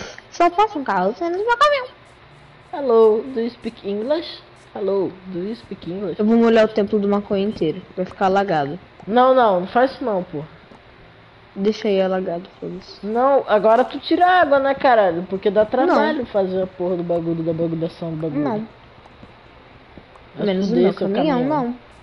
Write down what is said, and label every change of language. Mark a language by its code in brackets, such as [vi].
[pt] Só passa um carro, menos o meu caminhão. [en] Hello, do you speak English? Hello, do you speak English? [pt] Eu vou molhar o templo do maconha inteiro. Vai ficar alagado. Não, não. Não faz isso não, pô. Deixa aí alagado, foda-se. Não, agora tu tira água, né, caralho? Porque dá trabalho não. Fazer a porra do bagulho, da bagulhação do bagulho. Não. Mas menos o meu caminhão, não.